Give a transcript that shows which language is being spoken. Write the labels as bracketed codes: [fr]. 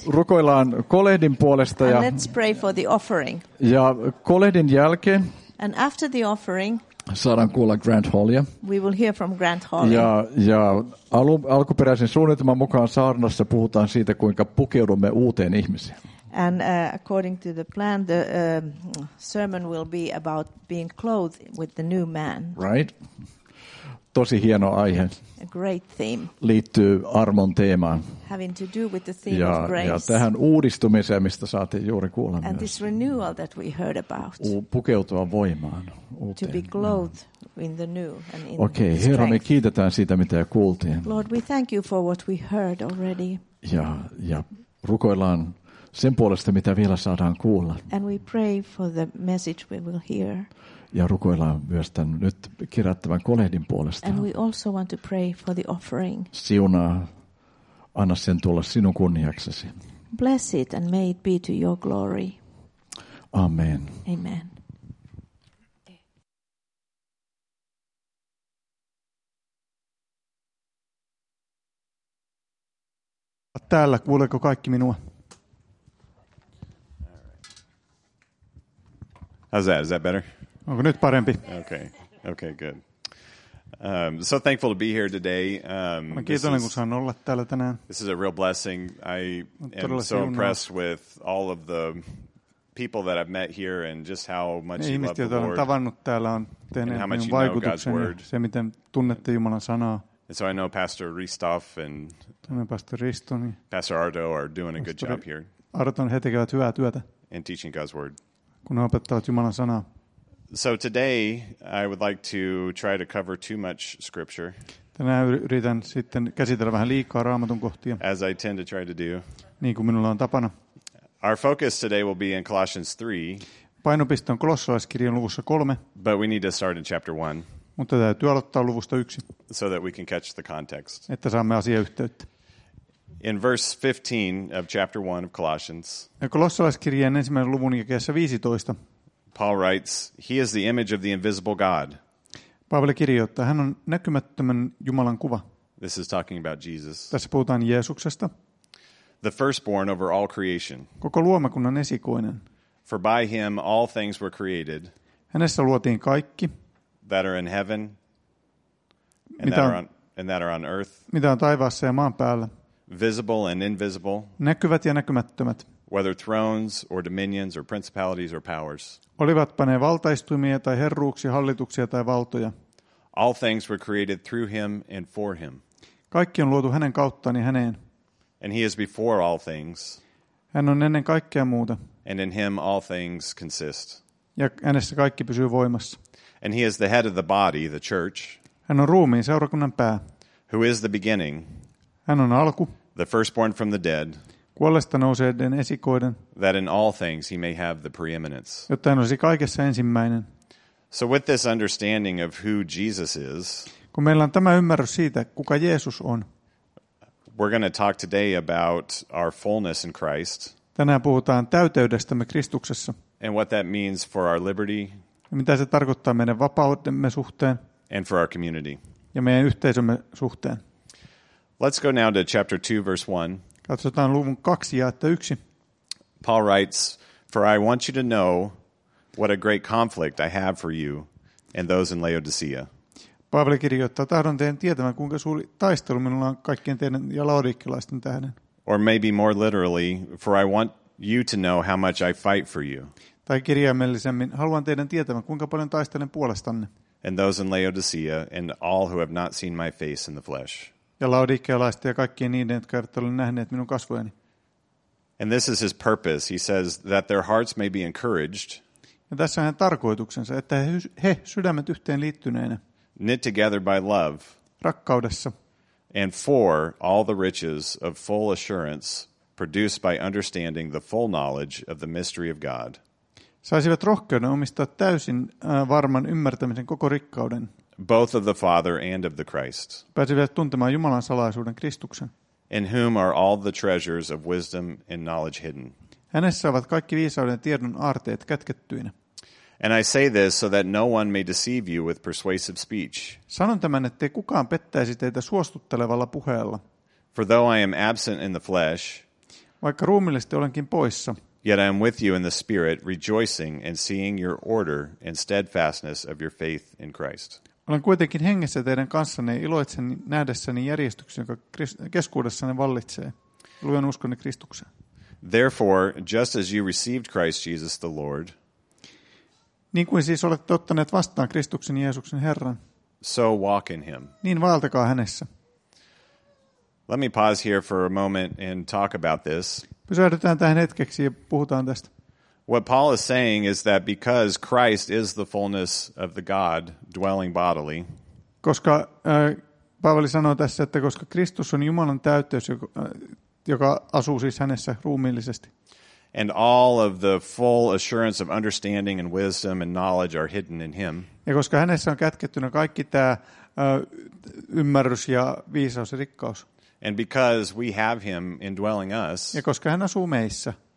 [fi] Rukoillaan kolehdin puolesta [en] and [fi] ja [en] let's pray for the offering. [fi] Ja kolehdin jälkeen [en] and after the offering [fi] saadaan kuulla Grant Hallia. [en] We will hear from Grant Hallia. [fi] Ja alkuperäisen suunnitelman mukaan saarnassa puhutaan siitä, kuinka pukeudumme uuteen ihmiseen. [en] And according to the plan, the sermon will be about being clothed with the new man. Right. [fi] Tosi hieno aihe. [en] A great theme. [fi] Liittyy armon teemaan. [en] Having to do with the theme [fi] ja, [en] of grace. [fi] Ja tähän uudistumiseen, mistä saatiin juuri kuulla [en] and [fi] myös. [en] And this renewal that we heard about. [fi] Pukeutua voimaan uuteen. [en] To be clothed in the new and in okay, the strength. [fi] Herra, me kiitetään siitä, mitä jo kuultiin. [en] Lord, we thank you for what we heard already. [fi] Ja rukoillaan sen puolesta, mitä vielä saadaan kuulla. [en] And we pray for the message we will hear. [fi] Ja rukoillaan myös tämän nyt kirjattavan kolehdin puolesta. [en] And we also want to pray for the offering. [fi] Siunaa, anna sen tulla sinun kunniaksesi. [en] Bless it and may it be to your glory. [fi] Amen. [en] Amen. [fi] Täällä, kuuleeko kaikki minua? [en] How's that? Is that better? [fi] Onko nyt parempi? [en] Okay, good. So thankful to be here today. [fi] Kiitollinen, kun saan olla täällä tänään. [en] This is a real blessing. I am so impressed with all of the people that I've met here and just how much you love the Lord. [fi] Tavannut täällä on tehneet minun vaikutuksen ja se, miten tunnette Jumalan sanaa. [en] And so I know Pastor Ristoff and [fi] Pastor Risto, niin [en] Pastor Arto are doing a good job here. [fi] Arton, he tekevät hyvää työtä. [en] And teaching God's word. [fi] Kun he opettavat Jumalan sanaa. [en] So today I would like to try to cover too much scripture. [fi] Tänään yritän sitten käsitellä vähän liikaa Raamatun kohtia. [en] As I tend to try to do. [fi] Niin kuin minulla on tapana. [en] Our focus today will be in Colossians 3. [fi] Painopiste on Kolossalaiskirjan luvussa 3. [en] But we need to start in chapter 1. [fi] Mutta täytyy aloittaa luvusta 1. [en] So that we can catch the context. [fi] Että saamme asiayhteyttä. [en] In verse 15 of chapter 1 of Colossians. [fi] Kolossalaiskirjan ensimmäisen luvun jakeessa 15. [en] Paul writes, "He is the image of the invisible God." [fi] Paavali kirjoittaa, hän on näkymättömän Jumalan kuva. [en] This is talking about Jesus. [fi] Tässä puhutaan Jeesuksesta. [en] The firstborn over all creation. [fi] Koko luomakunnan esikoinen. [en] For by him all things were created. [fi] Hänessä luotiin kaikki. [en] That are in heaven and that are on earth. [fi] Mitä on taivaassa ja maan päällä. [en] Visible and invisible. [fi] Näkyvät ja näkymättömät. [en] Whether thrones or dominions or principalities or powers. [fi] Olivatpa ne valtaistumia tai herruuksia, hallituksia tai valtoja. [en] All things were created through him and for him. [fi] Kaikki on luotu hänen kauttaan ja häneen. [en] And he is before all things. [fi] Hän on ennen kaikkea muuta. [en] And in him all things consist. [fi] Ja hänessä kaikki pysyy voimassa. [en] And he is the head of the body, the church. [fi] Hän on ruumiin, seurakunnan pää. [en] Who is the beginning. [fi] Hän on alku. [en] The firstborn from the dead. [fi] Kuolleista nouseiden esikoiden. [en] That in all things he may have the preeminence. [fi] Jotta hän olisi kaikessa ensimmäinen. [en] So with this understanding of who Jesus is. [fi] Kun meillä on tämä ymmärrys siitä, kuka Jeesus on. [en] We're going to talk today about our fullness in Christ. [fi] Tänään puhutaan täyteydestämme Kristuksessa. [en] And what that means for our liberty. [fi] Ja mitä se tarkoittaa meidän vapautemme suhteen. [en] And for our community. [fi] Ja meidän yhteisömme suhteen. [en] Let's go now to chapter 2 verse 1. [fi] Katsotaan luvun 2 ja että 1. [en] Paul writes, "For I want you to know what a great conflict I have for you and those in Laodicea." [fi] Paavali kirjoittaa, tahdon teidän tietävän, kuinka suuri taistelu minulla on kaikkien teidän ja laodikkelaisten tähden. [en] Or maybe more literally, "For I want you to know how much I fight for you." [fi] Tai kirjaimellisemmin, haluan teidän tietävän, kuinka paljon taistelen puolestanne. [en] And those in Laodicea and all who have not seen my face in the flesh. [fi] Ja laodikkealaista ja kaikkien niiden, jotka eivät ole nähneet minun kasvojani. [en] And this is his purpose. He says that their hearts may be encouraged. [fi] Ja tässä on hänen tarkoituksensa, että he sydämet yhteen liittyneenä. [en] Knit together by love. [fi] Rakkaudessa. [en] And for all the riches of full assurance produced by understanding the full knowledge of the mystery of God. [fi] Saisivat rohkeuden omistaa täysin varman ymmärtämisen koko rikkauden. [en] Both of the Father and of the Christ. [fi] Pääsivät tuntemaan Jumalan salaisuuden Kristuksen. [en] In whom are all the treasures of wisdom and knowledge hidden. [fi] Hänessä ovat kaikki viisauden tiedon aarteet kätkettyinä. [en] And I say this so that no one may deceive you with persuasive speech. [fi] Sanon tämän, ettei kukaan pettäisi teitä suostuttelevalla puheella. [en] For though I am absent in the flesh, [fi] vaikka ruumillisesti olenkin poissa, [en] yet I am with you in the spirit, rejoicing and seeing your order and steadfastness of your faith in Christ. [fi] Olen kuitenkin hengessä teidän kanssanne ja iloitsen nähdessäni järjestyksen, joka keskuudessanne vallitsee. Luen uskonne Kristukseen. [en] Therefore, just as you received Christ Jesus the Lord, [fi] niin kuin siis olette ottaneet vastaan Kristuksen Jeesuksen Herran, [en] so walk in him. [fi] Niin vaeltakaa hänessä. [en] Let me pause here for a moment and talk about this. [fi] Pysähdytään tähän hetkeksi ja puhutaan tästä. [en] What Paul is saying is that because Christ is the fullness of the God dwelling bodily. [fi] Koska Paavali sanoo tässä, että koska Kristus on Jumalan täyteys, joka asuu siis hänessä ruumiillisesti. [en] And all of the full assurance of understanding and wisdom and knowledge are hidden in him. [fi] Ja koska hänessä on kätkettynä kaikki tämä ymmärrys ja viisaus ja rikkaus. [en] And because we have him indwelling us. [fi] Ja koska hän asuu meissä.